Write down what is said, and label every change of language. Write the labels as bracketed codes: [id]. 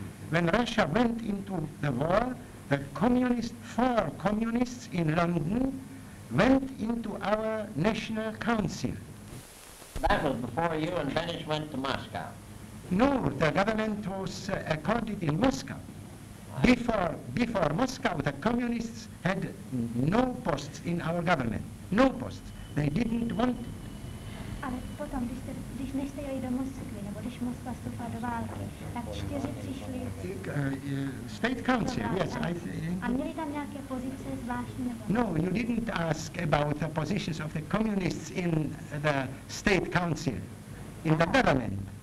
[en] When Russia went into the war, the four communists in London went into our National Council. That was before you and Benish went to Moscow. No, the government was accorded in Moscow. What? Before Moscow, the communists had no posts in our government. No posts. They didn't want it. [cs] Ale potom, když nejste jeli do Moskvy, nebo když Moskva vstoupila do války, tak čtyři přišli... [en] State Council, yes. [cs] A měli tam nějaké pozice zvláštní nebo... [en] No, you didn't ask about the positions of the communists in the State Council, in the government.